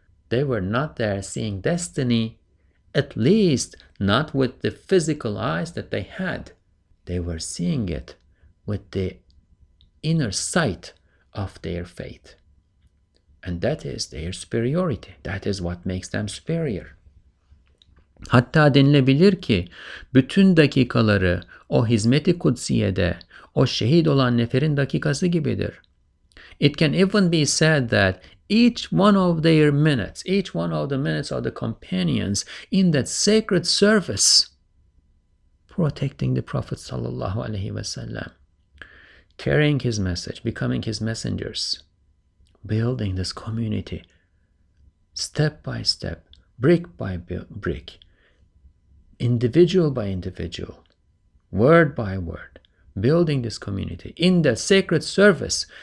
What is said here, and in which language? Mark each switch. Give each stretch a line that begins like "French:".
English: They were not there seeing destiny, at least not with the physical eyes that they had. They were seeing it with the inner sight of their faith. And that is their superiority. That is what makes them superior.
Turkish: Hatta denilebilir ki bütün dakikaları o hizmet-i kudsiyede o şehit olan neferin dakikası gibidir.
English: It can even be said that each one of their minutes, each one of the minutes of the companions in that sacred service protecting the Prophet sallallahu alaihi wasallam, carrying his message, becoming his messengers, building this community step by step, brick by brick, individual by individual, word by word, building this community in the sacred service.